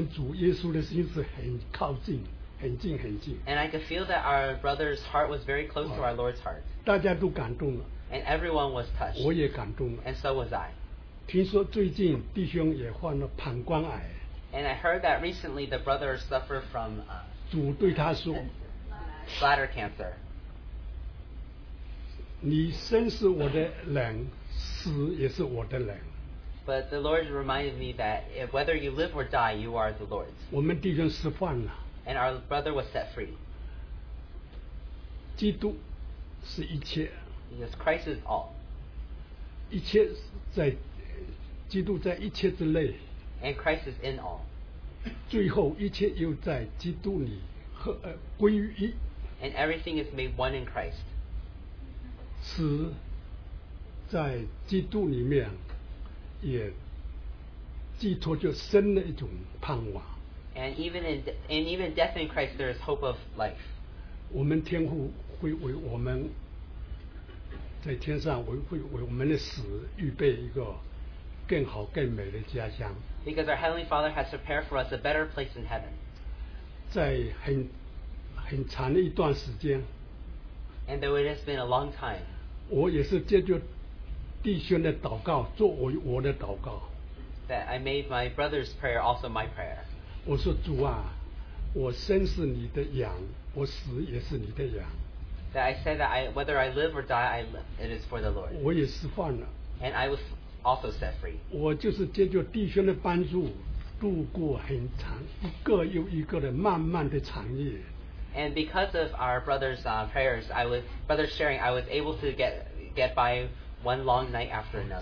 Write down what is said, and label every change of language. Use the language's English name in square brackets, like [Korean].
[Chinese] 我感觉到弟兄的心跟我们主耶稣的心是很靠近, 很近。 [English] And I could feel that our brother's heart was very close to our Lord's heart. [Chinese] 大家都感动了, [English] and everyone was touched. [Chinese] 我也感动了, [English] and so was I. [Chinese] 听说最近弟兄也患了膀胱癌, [English] and I heard that recently the brother suffered from [Chinese] 主对他说, [English] bladder cancer. [Chinese] 你生是我的人, 死也是我的人。 [English] But the Lord reminded me that if, whether you live or die, you are the Lord's. [Chinese] 我们弟兄释放了, [English] and our brother was set free. [Chinese] 基督是一切, [English] because Christ is all. [Chinese] 一切在, 基督在一切之内, [English] and Christ is in all. [Chinese] 最后一切又在基督里, 归于一, [English] and everything is made one in Christ. [Chinese] 死在基督里面, 也寄托就生了一种盼望。 [English] And even death in Christ, there is hope of life. [Chinese] 我们天父会为我们, 在天上会为我们的死预备一个更好更美的家乡。 [English] Because our Heavenly Father has prepared for us a better place in heaven. [Chinese] 在很长一段时间。 [English] And though it has been a long time. [Chinese] 我也是借着弟兄的祷告做我的祷告。 [English] That I made my brother's prayer also my prayer. [Chinese] 我说主啊，我生是你的羊，我死也是你的羊。 [English] That I said that whether I live or die, it is for the Lord. [Chinese] 我也释放了。 [English] And I was also set free. [Chinese] 我就是借着弟兄的帮助，度过很长一个又一个的漫漫的长夜。 [English] And because of our brother's prayers, brother sharing, I was able to get by one long night after another.